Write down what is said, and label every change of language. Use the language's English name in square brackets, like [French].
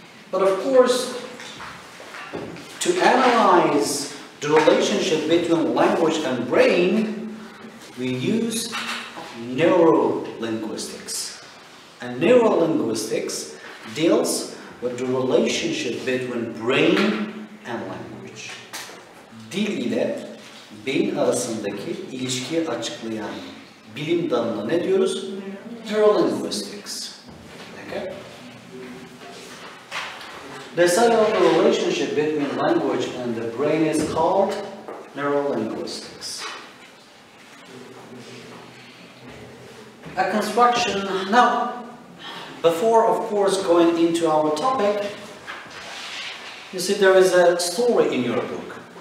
[English] But of course, to analyze the relationship between language and brain, we use neurolinguistics. And neurolinguistics deals with the relationship between brain and language. [Turkish] Dil ile beyin arasındaki ilişkiyi açıklayan bilim dalına ne diyoruz? [English] neurolinguistics. Okay? The study of the relationship between language and the brain is called neurolinguistics. A construction. Now, before, of course, going into our topic, you see there is a story in your book.